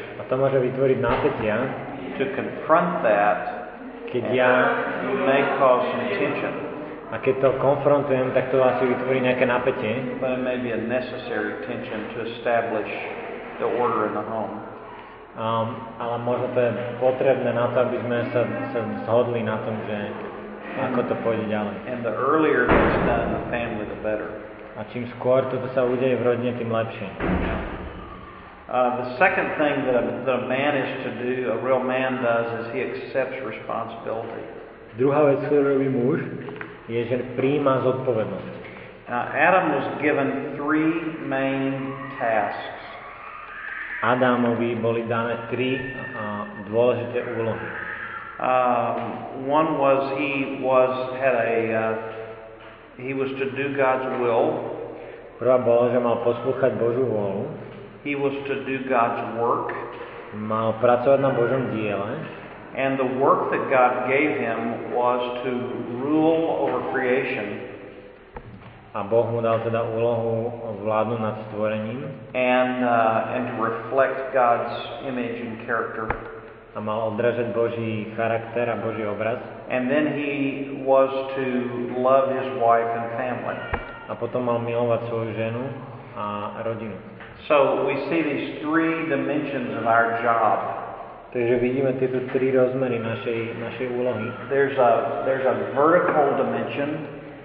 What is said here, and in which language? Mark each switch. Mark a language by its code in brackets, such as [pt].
[sk] A to môže vytvoriť napätie. [en] To confront that, [sk] keď ja [en] may cause some tension. [sk] A keď to konfrontujem, tak to asi vytvorí nejaké napätie. [en] But it may be a necessary tension to establish the order in the home. [sk] Ale možno to je potrebné na to, aby sme sa zhodli na tom, že ako to pôjde ďalej. [en] And the earlier it's done in the family, the better. [sk] A čím skôr toto sa udeje v rodine, tým lepšie. [en] The second thing that a man is to do, a real man does, is he accepts responsibility. [sk] Druhá vec, ktorú robí muž, je, že prijíma zodpovednosť. [en] Now, Adam was given three main tasks. [sk] Adamovi boli dané tri dôležité úlohy. [en] One was he was to do God's will. [sk] Prvá bola, že mal poslúchať Božiu vôľu. [en] He was to do God's work. [sk] Mal pracovať na Božom diele. [en] And the work that God gave him was to rule over creation. [sk] A Boh mu dal teda úlohu vládnuť nad stvorením. [en] And to reflect God's image and character. [sk] A mal odrážať Boží charakter a Boží obraz. [en] And then he was to love his wife and family. [sk] A potom mal milovať svoju ženu a rodinu. [en] So we see these three dimensions of our job. [sk] Takže vidíme tieto tri rozmery našej úlohy. [en] There's a vertical dimension.